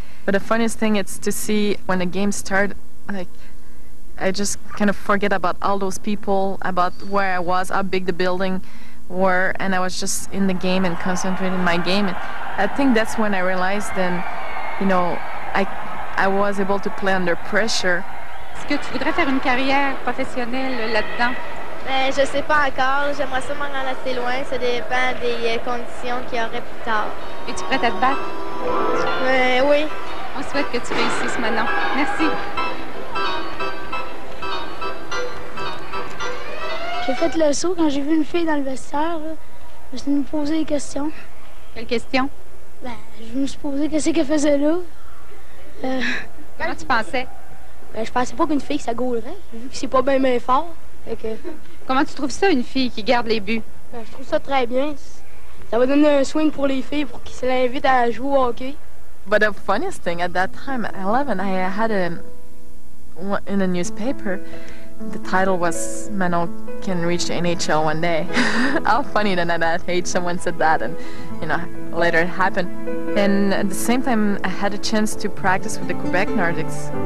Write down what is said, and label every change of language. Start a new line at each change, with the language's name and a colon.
English: But the funniest thing is to see when the game starts, like, I just kind of forget about all those people, about where I was, how big the building were, and I was just in the game and concentrating my game. And I think that's when I realized then, you know, I was able to play under pressure.
French: Est-ce que tu voudrais faire une carrière professionnelle là-dedans? Mais je sais pas encore, j'aimerais sûrement aller assez loin, ça dépend des conditions qu'il y aurait plus tard. Es-tu prête à te battre? Oui. On souhaite que tu réussisses maintenant. Merci. J'ai fait le saut quand j'ai vu une fille dans le vestiaire. Je me suis posé des questions. Quelles questions? Ben, je me suis posé qu'est-ce qu'elle faisait là. Comment tu pensais? Ben, je pensais pas qu'une fille ça gaulerait, vu que c'est pas bien ben fort. Okay. Comment tu trouves ça, une fille qui garde les buts? Ben, je trouve ça très bien. Ça va donner un swing pour les filles pour qu'ils l'invitent à jouer au hockey.
English: But the funniest thing, at that time, at 11, I had in the newspaper, the title was Manon can reach the NHL one day. How funny that at that age someone said that, and, you know, later it happened. And at the same time, I had a chance to practice with the Quebec Nordiques.